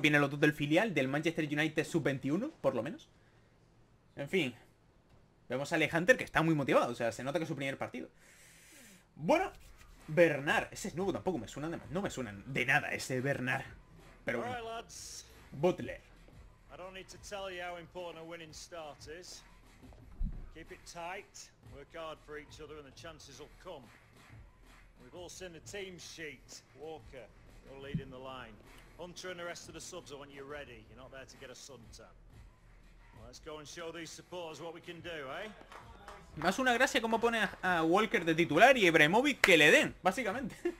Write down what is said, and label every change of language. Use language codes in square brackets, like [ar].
[es] Vienen los dos del filial, del Manchester United Sub-21, por lo menos. En fin. Vemos a Alex Hunter, que está muy motivado. O sea, se nota que es su primer partido. Bueno, Bernard. Ese es nuevo, tampoco me suena de más. No me suena de nada ese Bernard. Pero bueno. Butler. [en] I don't need to tell you how important a winning start is. Keep it tight, work hard for each other and the chances will come. We've all seen the team sheet. Walker, you're leading the line. Hunter and the rest of the subs, I want you ready. You're not there to get a suntan. Well, let's go and show these supporters what we can do, eh? [es] Más una gracia como pone a Walker de titular y Ibrahimovic que le den, básicamente.